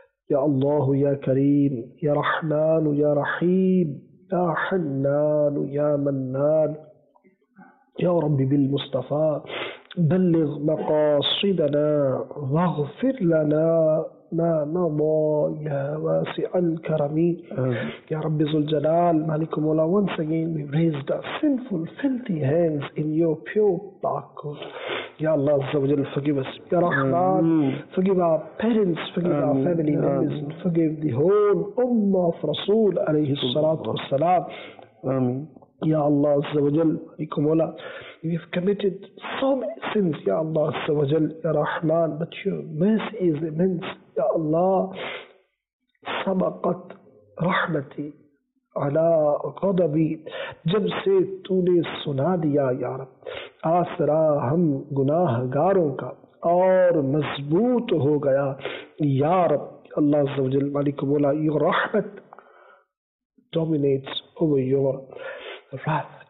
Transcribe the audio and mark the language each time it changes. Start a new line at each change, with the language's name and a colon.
Arabic: يا الله يا كريم يا رحمن يا رحيم يا حنان يا منان يا رب بالمصطفى بلغ مقاصدنا واغفر لنا ما مضى يا واسع الكرم يا رب ذو الجلال مالك المولى.
English: Once again we raised our sinful filthy hands in your pure darkness. Ya Allah Azza wa Jalla, forgive us. Ya Rahman, forgive our parents, forgive our family members, and forgive the whole Ummah of Rasul alayhi salatu wa salam. Ya Allah Azza wa Jalla, malik al-mulk wa al-asr. We have committed so many sins, Ya Allah, Ya Rahman, but your mercy is immense.
Urdu: Ya Allah,
Arabic: سبقت رحمتي على غضبي
Urdu: جب سے تُو نے سنا دیا یا رب آسرا ہم گناہ گاروں کا اور مضبوط ہو گیا یا رب اللہ عز و جل مالک مولا
English: your rahmat dominates over your wrath.